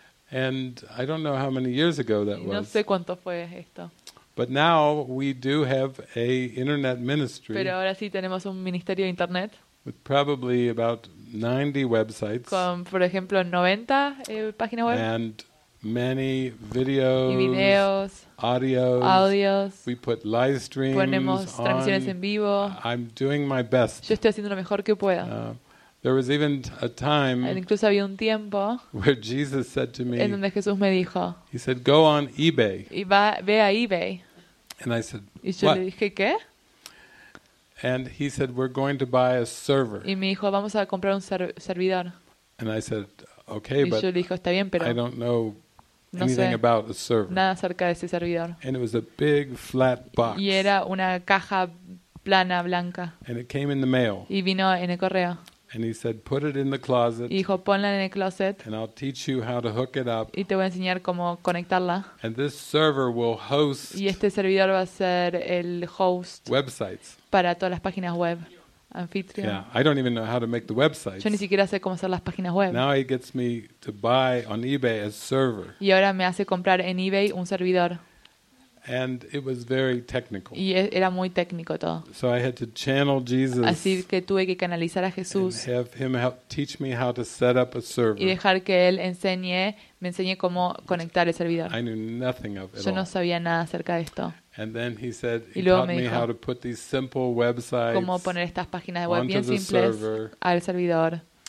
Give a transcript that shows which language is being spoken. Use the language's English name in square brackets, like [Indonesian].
[English] And I don't know how many years ago that was. [Spanish] No sé cuánto fue esto. [English] But now we do have a internet ministry. [Spanish] Pero ahora sí tenemos un ministerio de internet. [English] With probably about 90 websites. [Spanish] Con por ejemplo 90 páginas web. [English] And many videos. [Spanish] Y videos. [English] Audios. We put live streams. [Spanish] Ponemos transmisiones [English] on. [Spanish] En vivo. [English] I'm doing my best. [Spanish] Yo estoy haciendo lo mejor que pueda. [English] There was even a time. [Spanish] Incluso había un tiempo. [English] Where Jesus said to me. [Spanish] En donde Jesús me dijo. [English] He said, "Go on eBay." [Spanish] Y va, ve a eBay. [English] And I said, [Spanish] y yo [English] "What?" [Spanish] Le dije, ¿qué? [English] And he said, "We're going to buy a server." [Spanish] Y me dijo, vamos a comprar un servidor. [English] And I said, "Okay, [Spanish] y [English] but [Spanish] yo le dijo, está bien, pero [English] I don't know." Anything [Spanish] no sé, [English] about the server. [Spanish] Nada acerca de ese servidor. [English] And it was a big flat box. [Spanish] Y era una caja plana blanca. [English] And it came in the mail. [Spanish] Y vino en el correo. [English] And he said, "Put it in the closet." [Spanish] Y dijo, ponla en el closet. [English] And I'll teach you how to hook it up. [Spanish] Y te voy a enseñar cómo conectarla. [English] And this server will host. [Spanish] Y este servidor va a ser el host. [English] Websites. [Spanish] Para todas las páginas web. Anfitrión. [English] Yeah, I don't even know how to make the websites. [Spanish] Yo ni siquiera sé cómo hacer las páginas web. [English] Now he gets me to buy on eBay a server. [Spanish] Y ahora me hace comprar en eBay un servidor. [English] And it was very technical. [Spanish] Y era muy técnico todo. [English] So I had to channel Jesus. [Spanish] Así que tuve que canalizar a Jesús. [English] And have him help teach me how to set up a server. [Spanish] Y dejar que él me enseñe cómo conectar el servidor. [English] I knew nothing of it. [Spanish] Yo no sabía nada acerca de esto. [English] And then he said he taught me how to put these simple websites. [Spanish] Cómo poner estas páginas de web bien simples al servidor.